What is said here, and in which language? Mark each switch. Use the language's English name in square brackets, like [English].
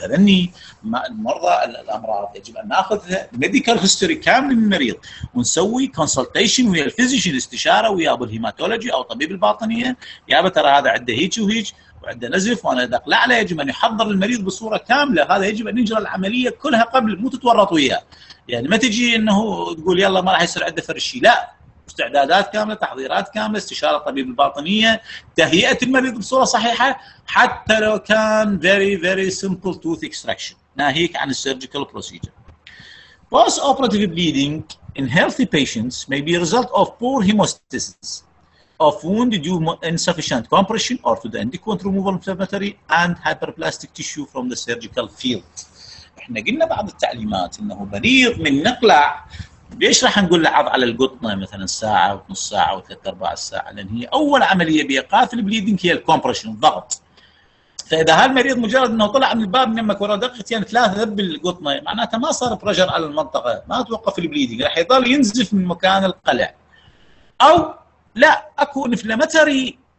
[Arabic] يقول هذني المرضى الأمراض يجب أن نأخذ medical history كامل من المريض ونسوي consultation ويا الفيزيشن، استشارة ويا أبو الهيماتولوجي أو طبيب الباطنية، يا أبا ترى هذا عنده هيج وهيج وعنده نزف وانا اقلع عليه، يجب ان يحضر المريض بصوره كامله، هذا يجب ان يجرى العمليه كلها قبل، مو تتورط وياه. يعني ما تجي انه تقول يلا ما راح يصير عنده فرشي، لا، استعدادات كامله، تحضيرات كامله، استشاره طبيب الباطنيه، تهيئه المريض بصوره صحيحه حتى لو كان فيري فيري سمبل توث اكستراكشن، ناهيك عن السيرجيكال بروسيجر. [English] Post operative bleeding in healthy patients may be a result of poor hemostasis of wound due to insufficient compression or to the indiquant removal of inflammatory and hyperplastic tissue from the surgical field. [Arabic] احنا قلنا بعض التعليمات انه مريض من نقلع ليش راح نقول له عض على القطنه مثلا ساعه ونص ساعه وثلاث ارباع الساعه، لان هي اول عمليه بايقاف البليدنج هي الكومبرشن الضغط. فاذا هالمريض مجرد انه طلع من الباب من يمك ورا دقيقتين ثلاثه ذب القطنه، معناته ما صار بريشر على المنطقه، ما توقف البليدنج، راح يظل ينزف من مكان القلع. او لا، اكو انفلاماتوري